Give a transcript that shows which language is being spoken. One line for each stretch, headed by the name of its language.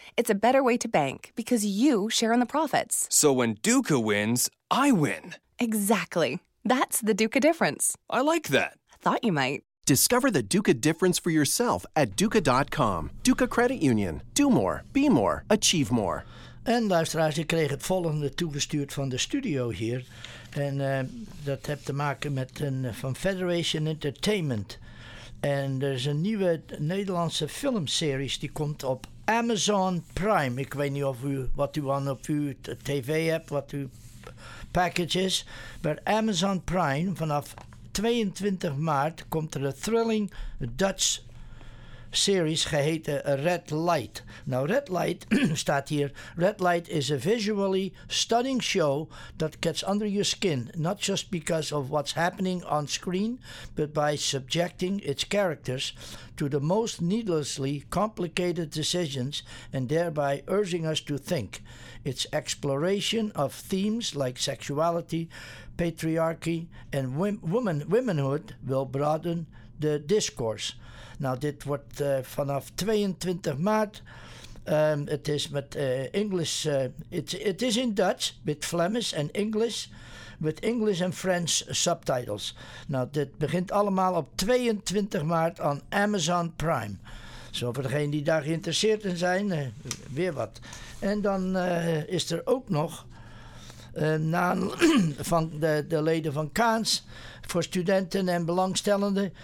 English: It's a better way to bank because you share in the profits. So when Duca wins, I win. Exactly. That's the Duca difference. I like that. Thought you might. Discover the Duca difference for yourself at Duca.com. Duca Credit Union. Do more. Be more. Achieve more.
Dutch: En luisteraars, ik kreeg het volgende toegestuurd van de studio hier. En dat heeft te maken met een van Federation Entertainment. En er is een nieuwe Nederlandse filmseries die komt op Amazon Prime. Ik weet niet of u wat u aan op uw tv hebt, wat u packages, maar Amazon Prime vanaf 22 maart komt er een
English: thrilling Dutch series
Dutch: geheten Red Light. Nou, Red Light staat hier.
English: Red Light is a visually stunning show that gets under your skin, not just because of what's happening on screen, but by subjecting its characters to the most needlessly complicated decisions and thereby urging us to think. Its exploration of themes like sexuality, patriarchy and womanhood will broaden the discourse.
Dutch: Nou, dit wordt vanaf 22 maart. Het is met Engels.
English: It is in Dutch, with Flemish and English, with English and French subtitles.
Dutch: Nou, dit begint allemaal op 22 maart aan Amazon Prime. Zo voor degenen die daar geïnteresseerd in zijn, weer wat. En dan is er ook nog, van de leden van Kaans, voor studenten en belangstellenden.